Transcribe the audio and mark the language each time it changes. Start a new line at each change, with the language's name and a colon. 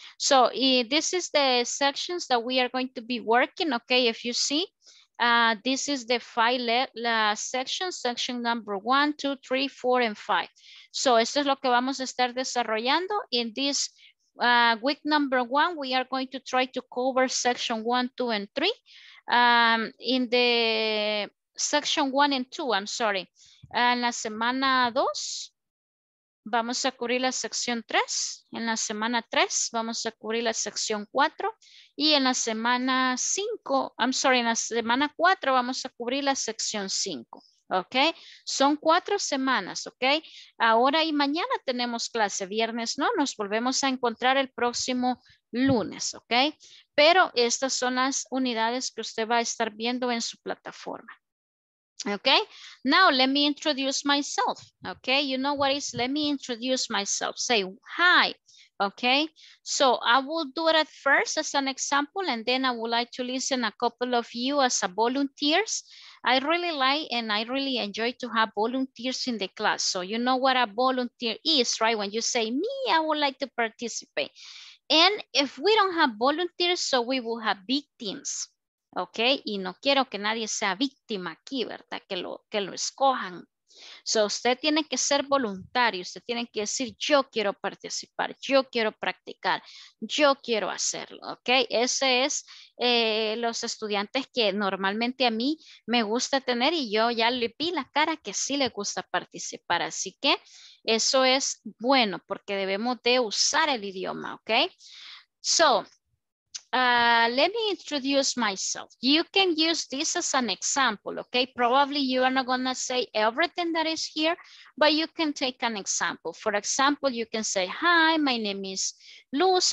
English: So, this is the sections that we are going to be working, okay? If you see, this is the section number 1, 2, 3, 4, and 5.
Spanish: So, esto es lo que vamos a estar desarrollando.
English: In this week number 1, we are going to try to cover section 1, 2, and 3. In the section 1 and 2, I'm sorry.
Spanish: En la semana 2 vamos a cubrir la sección 3, en la semana 3 vamos a cubrir la sección 4 y en la semana 5,
English: I'm sorry,
Spanish: en la semana 4 vamos a cubrir la sección 5, ¿ok? Son 4 semanas, ¿ok? Ahora y mañana tenemos clase, viernes no, nos volvemos a encontrar el próximo lunes, ¿ok? Pero estas son las unidades que usted va a estar viendo en su plataforma.
English: Okay, now let me introduce myself. Okay, you know what is, let me introduce myself. Say hi. Okay, so I will do it at first as an example, and then I would like to listen a couple of you as a volunteers. I really like and I really enjoy to have volunteers in the class. So you know what a volunteer is, right? When you say me, I would like to participate. And if we don't have volunteers, so we will have victims.
Spanish: Ok, y no quiero que nadie sea víctima aquí, ¿verdad? Que lo escojan. So, usted tiene que ser voluntario, usted tiene que decir, yo quiero participar, yo quiero practicar, yo quiero hacerlo, ¿ok? Ese es los estudiantes que normalmente a mí me gusta tener y yo ya le vi la cara que sí le gusta participar. Así que eso es bueno porque debemos de usar el idioma, ¿ok?
English: So, let me introduce myself. You can use this as an example, okay? Probably you are not gonna say everything that is here, but you can take an example. For example, you can say, hi, my name is Luz.